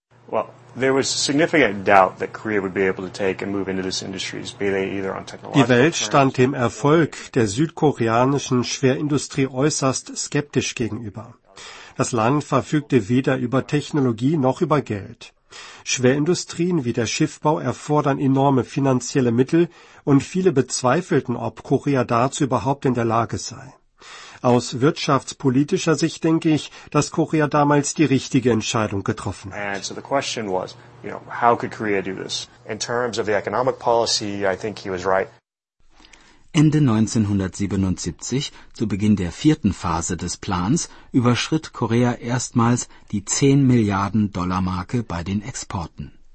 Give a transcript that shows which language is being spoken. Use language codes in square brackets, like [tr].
[en] Well, there was significant doubt that Korea would be able to take and move into this industries, be they either on technological. [de] Die Welt stand dem Erfolg der südkoreanischen Schwerindustrie äußerst skeptisch gegenüber. Das Land verfügte weder über Technologie noch über Geld. Schwerindustrien wie der Schiffbau erfordern enorme finanzielle Mittel und viele bezweifelten, ob Korea dazu überhaupt in der Lage sei. Aus wirtschaftspolitischer Sicht denke ich, dass Korea damals die richtige Entscheidung getroffen hat. [en] And so the question was, you know, how could Korea do this? In terms of the economic policy, I think he was right. [de] Ende 1977, zu Beginn der vierten Phase des Plans, überschritt Korea erstmals die 10 Milliarden Dollar Marke bei den Exporten.